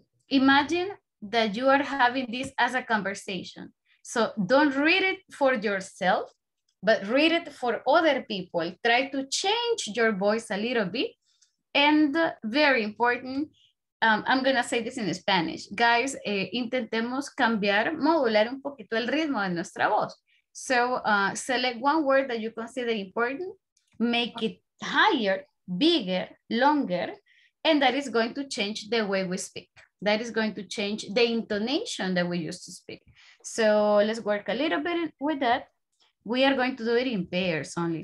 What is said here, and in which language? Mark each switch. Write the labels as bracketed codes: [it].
[en] Imagine that you are having this as a conversation. So don't read it for yourself, but read it for other people. Try to change your voice a little bit. And very important, I'm gonna say this in Spanish. [es] Guys, intentemos cambiar, modular un poquito el ritmo de nuestra voz. [en] So select one word that you consider important, make it higher, bigger, longer, and that is going to change the way we speak. That is going to change the intonation that we used to speak. So let's work a little bit with that. We are going to do it in pairs only.